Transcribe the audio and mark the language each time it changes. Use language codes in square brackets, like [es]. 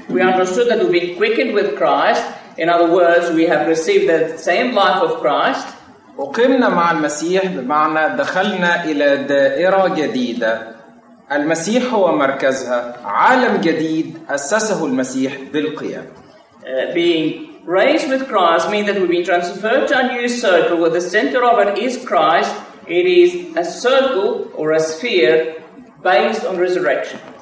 [en] We understood that we've been quickened with Christ. In other words, we have received the same life of Christ. [ar] أقمنا مع المسيح بمعنى دخلنا إلى دائرة جديدة. المسيح هو مركزها. عالم جديد أسسه المسيح بالقيام. [en] Being raised with Christ means that we've been transferred to a new circle where the center of it is Christ. It is a circle or a sphere based on resurrection.